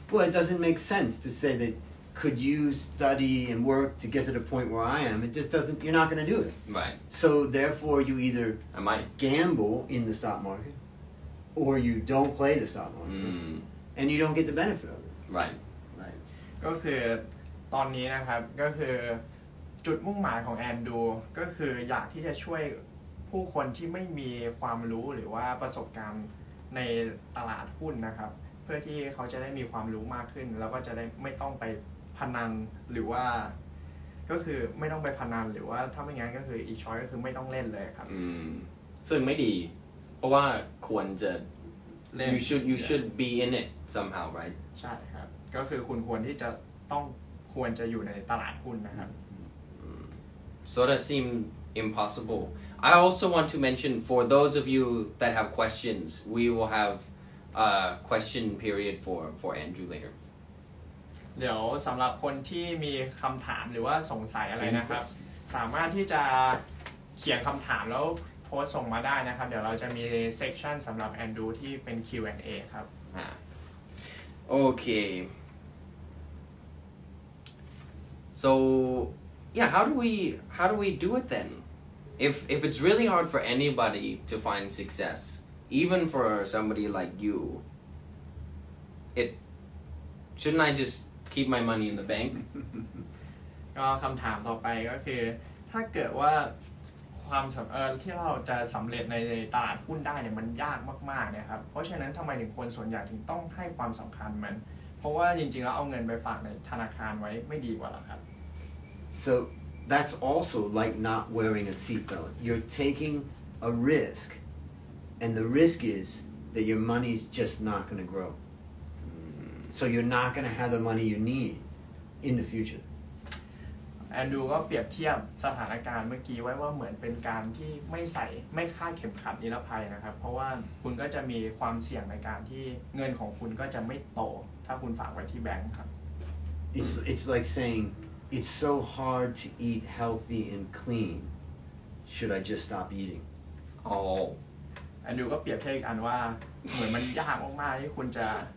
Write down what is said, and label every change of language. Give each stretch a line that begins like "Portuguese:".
English: well it doesn't make sense to say that could you study and work to get to the point where I am it just doesn't you're not going to do it right so therefore you either I might gamble in the stock market or you don't play the stock market and you don't get the benefit of it right
Thai: ก็คือตอนนี้นะครับก็คือจุดมุ่งหมายของแอนดูก็คืออยากที่จะช่วยผู้คนที่ไม่มีความรู้หรือว่าประสบการณ์ในตลาดหุ้นนะครับเพื่อที่เขาจะได้มีความรู้มากขึ้นแล้วก็จะได้ไม่ต้องไปพนันหรือว่าก็คือไม่ต้องไปพนันหรือว่าถ้าไม่งั้นก็คืออีกช้อยก็คือไม่ต้องเล่นเลยครับ ซึ่งไม่ดีเพราะว่าควรจะ เล่น
English: you should be in it somehow right
Thai: ใช่ครับก็คือคุณควรที่จะต้องควรจะอยู่ในตลาดหุ้นนะครับ
English: so that seem impossible I also want to mention for those of you that have questions, we will have a question period for Andrew later.
Thai: เดี๋ยวสำหรับคนที่มีคำถามหรือว่าสงสัยอะไรนะครับสามารถที่จะเขียนคำถามแล้วโพสต์ส่งมาได้นะครับเดี๋ยวเราจะมีเซกชันสำหรับ Andrew ที่เป็น Q&A ครับ
English: โอเค So yeah, how do we do it then? If it's really hard for anybody to find success, even for somebody like you, shouldn't I just keep my money in the bank?
Thai: ก็คำถามต่อไปก็คือถ้าเกิดว่าความสำเร็จที่เราจะสำเร็จในตลาดหุ้นได้เนี่ยมันยากมากๆเนี่ยครับเพราะฉะนั้นทำไมถึงคนส่วนใหญ่ถึงต้องให้ความสำคัญมันเพราะว่าจริงๆแล้วเอาเงินไปฝากในธนาคารไว้ไม่ดีกว่าหรอครับ
English: SoThat's also like not wearing a seatbelt. You're taking a risk, and the risk is that your money's just not going to grow. So you're not going to have the money you need in the future.
Thai: Andrew ก็เปรียบเทียบสถานการณ์เมื่อกี้ไว้ว่าเหมือนเป็นการที่ไม่คาดเข็มขัดนิรภัยนะครับเพราะว่าคุณก็จะมีความเสี่ยงในการที่เงินของคุณก็จะไม่โตถ้าคุณฝากไว้ที่แบงค์ครับ
English: It's like sayingIt's so hard to eat healthy and clean. Should I just stop eating? Oh. And you
Thai: ก็เปรียบเทียบอีกอันว่าเหมือนมันยากมากๆที่คุณจะ